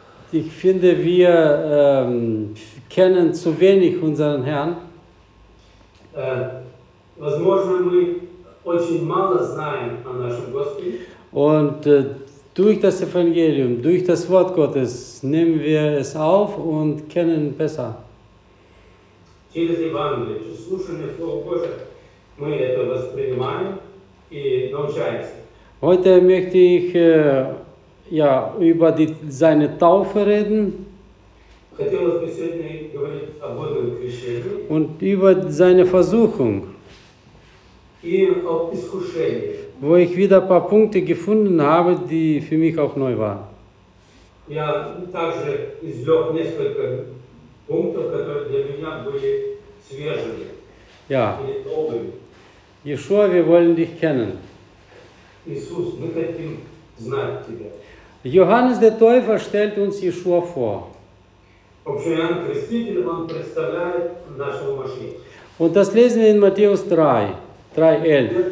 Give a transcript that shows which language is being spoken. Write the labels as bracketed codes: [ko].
[de] Ich finde, wir kennen zu wenig unseren Herrn. [ru] Возможно, мы очень мало знаем о нашем Господе. [de] Und durch das Evangelium, durch das Wort Gottes, nehmen wir es auf und kennen besser. [ru] Через Евангелие, через слушание Слова Божия, мы это воспринимаем и научаемся. [de] Heute möchte ich ja, über die, seine Taufe reden. [ru] Хотелось бы сегодня говорить об этом крещении. [de] Und über seine Versuchung. [ru] И об искушении. [de] Wo ich wieder ein paar Punkte gefunden habe, die für mich auch neu waren. [ru] Ja, также извлек несколько пунктов, которые для меня были свежими. [de] Ja. Jeschua, wir wollen dich kennen. [ru] Иисус, мы хотим знать тебя. [de] Johannes der Täufer stellt uns Jeschua vor. [ru] Вообще, Иоанн Креститель, он представляет нашего Машиаха. [de] Und das lesen wir in Matthäus 3:11.